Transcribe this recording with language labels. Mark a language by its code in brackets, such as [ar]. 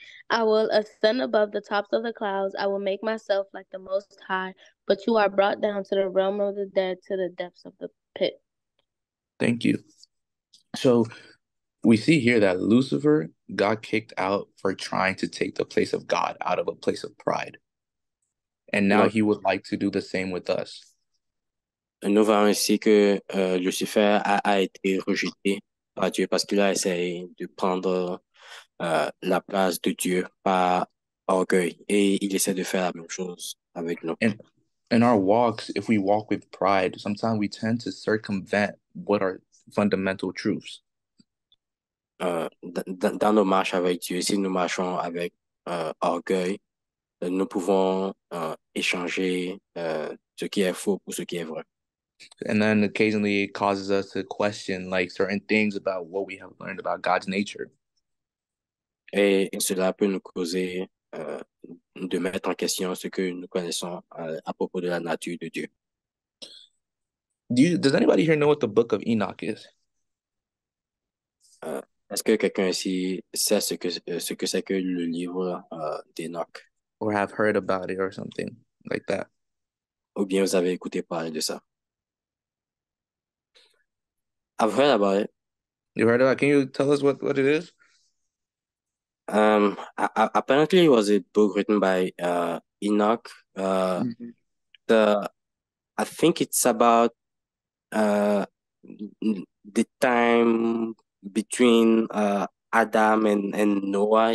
[en] I will ascend above the tops of the clouds. I will make myself like the Most High, but you are brought down to the realm of the dead, to the depths of the pit. Thank you. So we see here that Lucifer got kicked out for trying to take the place of God out of a place of pride. And now he would like to do the same with us. [fr] Nous voyons ici que Lucifer a été rejeté par Dieu parce qu'il a essayé de prendre la place de Dieu par orgueil. Et il essaie de faire la même chose avec nous. [en] In our walks, if we walk with pride, sometimes we tend to circumvent what are fundamental truths. [fr] Dans nos marches avec Dieu, si nous marchons avec orgueil, nous pouvons échanger ce qui est faux pour ce qui est vrai. [en] And then occasionally it causes us to question like certain things about what we have learned about God's nature. [fr] Et cela peut nous causer de mettre en question ce que nous connaissons à propos de la nature de Dieu. [en] Does anybody here know what the book of Enoch is? [fr] Est-ce que quelqu'un ici sait ce que c'est que le livre d'Enoch? [en] Or have heard about it or something? like that. [fr] Ou bien vous avez écouté parler de ça. [en] I've heard about it. You heard about it? Can you tell us what it is? Apparently, it was a book written by Enoch. I think it's about the time between Adam and Noah.